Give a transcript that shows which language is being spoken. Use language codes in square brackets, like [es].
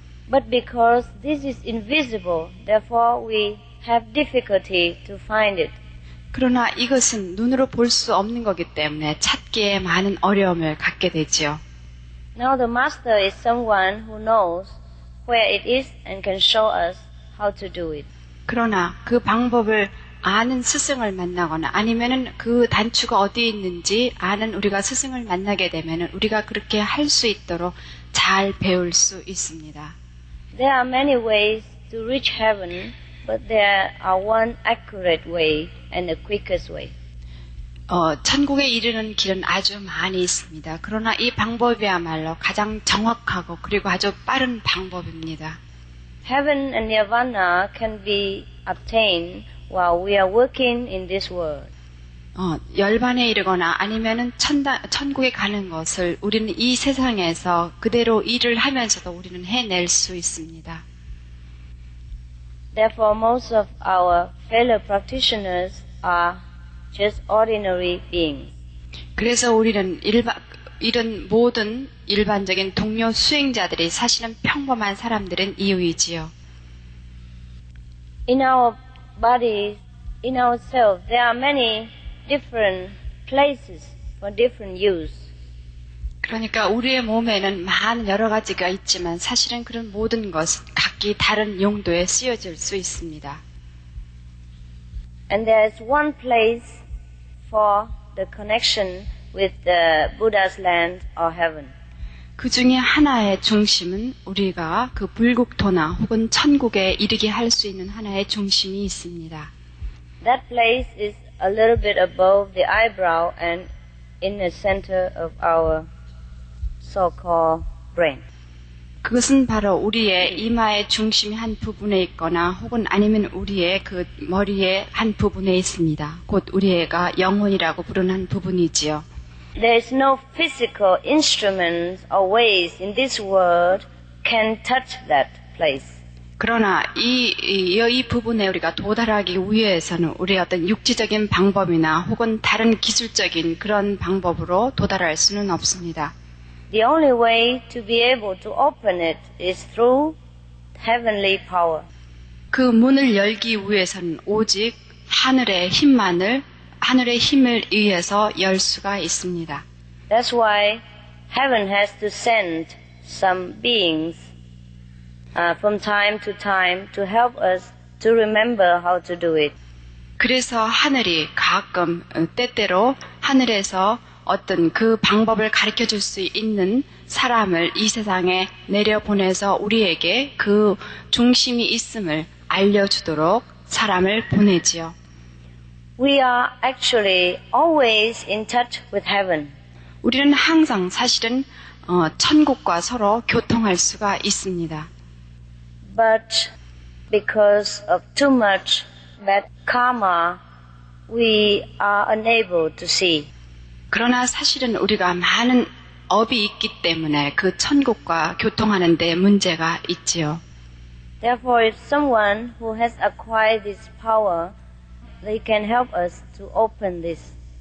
[en] But because this is invisible, therefore we have difficulty to find it. [ko] 그러나 이것은 눈으로 볼 수 없는 것이기 때문에 찾기에 많은 어려움을 갖게 되지요. [en] Now the master is someone who knows where it is and can show us how to do it. [ko] 그러나 그 방법을 아는 스승을 만나거나 아니면은 그 단추가 어디 있는지 아는 우리가 스승을 만나게 되면은 우리가 그렇게 할 수 있도록 잘 배울 수 있습니다. [en] There are many ways to reach heaven, but there are one accurate way and the quickest way. [ko] 천국에 이르는 길은 아주 많이 있습니다. 그러나 이 방법이야말로 가장 정확하고 그리고 아주 빠른 방법입니다. [en] Heaven and Nirvana can be obtained while we are working in this world. [ko] 열반에 이르거나 아니면은 천국에 가는 것을 우리는 이 세상에서 그대로 일을 하면서도 우리는 해낼 수 있습니다. [en] Therefore, most of our fellow practitioners are just ordinary beings. [ko] 그래서 우리는 이런 모든 일반적인 동료 수행자들이 사실은 평범한 사람들인 이유이지요. [en] In our bodies, in ourselves, there are many different places for different use. [ko] 그러니까 우리의 몸에는 많은 여러 가지가 있지만 사실은 그런 모든 것은 각기 다른 용도에 쓰여질 수 있습니다. [en] And there is one place for the connection with the Buddha's land or heaven. [ko] 그 중에 하나의 중심은 우리가 그 불국토나 혹은 천국에 이르게 할 수 있는 하나의 중심이 있습니다. [en] That place is a little bit above the eyebrow and in the center of our so-called brain. [ko] 그것은 바로 우리의 이마의 중심의 한 부분에 있거나 혹은 아니면 우리의 그 머리의 한 부분에 있습니다. 곧 우리가 영혼이라고 부르는 한 부분이지요. [en] There is no physical instruments or ways in this world can touch that place. [ko] 그러나 이 부분에 우리가 도달하기 위해서는 우리 어떤 육체적인 방법이나 혹은 다른 기술적인 그런 방법으로 도달할 수는 없습니다. [en] The only way to be able to open it is through heavenly power. [ko] 그 문을 열기 위해서는 오직 하늘의 힘을 의해서 열 수가 있습니다. [en] That's why heaven has to send some beings from time to time to help us to remember how to do it. [ko] 그래서 하늘이 가끔 때때로 하늘에서 어떤 그 방법을 가르쳐 줄 수 있는 사람을 이 세상에 내려 보내서 우리에게 그 중심이 있음을 알려 주도록 사람을 보내지요. [en] We are actually always in touch with heaven. [ko] 우리는 항상 사실은 천국과 서로 교통할 수가 있습니다. [en] But because of too much bad karma, we are unable to see. [ko] 그러나 사실은 우리가 많은 업이 있기 때문에 그 천국과 교통하는 데 문제가 있지요. [en] Therefore, if someone who has acquired this power, they can help us to open this.